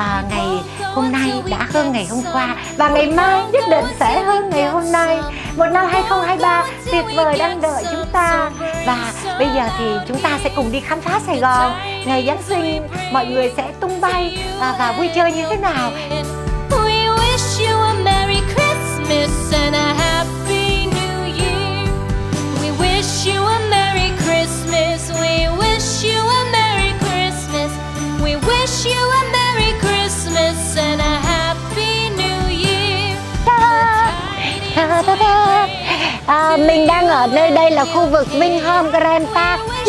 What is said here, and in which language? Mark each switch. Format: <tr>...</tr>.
<vi>Ngày hôm nay đã hơn ngày hôm qua và ngày mai nhất định sẽ hơn ngày hôm nay. Một năm 2023 tuyệt vời đang đợi chúng ta. Và bây giờ thì chúng ta sẽ cùng đi khám phá Sài Gòn. Ngày Giáng sinh mọi người sẽ tung bay và vui chơi như thế nào?</vi> <en>We wish you a Merry Christmas and a Happy New Year. We wish you a Merry Christmas. We wish you a Merry Christmas. We wish you a Merry Christmas and a Happy New Year. Ta-da. Ta-da.</en> <vi>Mình đang ở nơi đây là khu vực Vinh Home Grand Park.</vi>